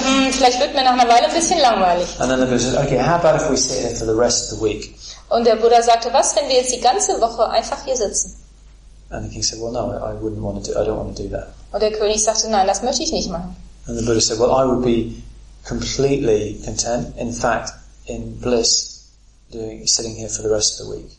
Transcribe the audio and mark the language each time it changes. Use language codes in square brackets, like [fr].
[de] Vielleicht wird mir nach einer Weile ein bisschen langweilig. [en] And then the Buddha said, okay, how about if we sit here for the rest of the week? [de] Und der Buddha sagte, was, wenn wir jetzt die ganze Woche einfach hier sitzen? [en] And the king said, "Well, no, I wouldn't want to. I don't want to do that." [de] Und der König sagte, nein, das möchte ich nicht machen. [en] And the Buddha said, "Well, I would be completely content. In fact, in bliss, sitting here for the rest of the week."